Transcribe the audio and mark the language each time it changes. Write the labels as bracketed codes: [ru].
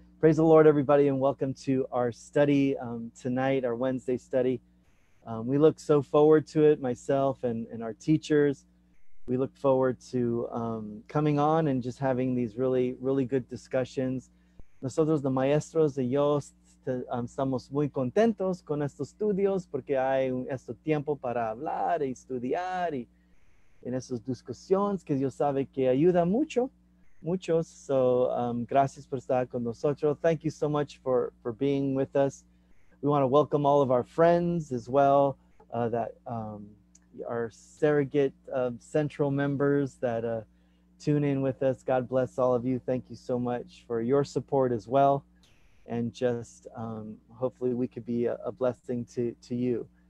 [en] Praise the Lord, everybody, and welcome to our study tonight, our Wednesday study. We look so forward to it, myself and our teachers. We look forward to coming on and just having these really, really good discussions. [es] Nosotros, los maestros y yo, estamos muy contentos con estos estudios porque hay este tiempo para hablar y estudiar y en esas discusiones que Dios sabe que ayuda mucho, muchos. So, gracias por estar con nosotros. [en] Thank you so much for being with us. We want to welcome all of our friends as well, that our surrogate central members that tune in with us. God bless all of you. Thank you so much for your support as well. And just hopefully we could be a blessing to you.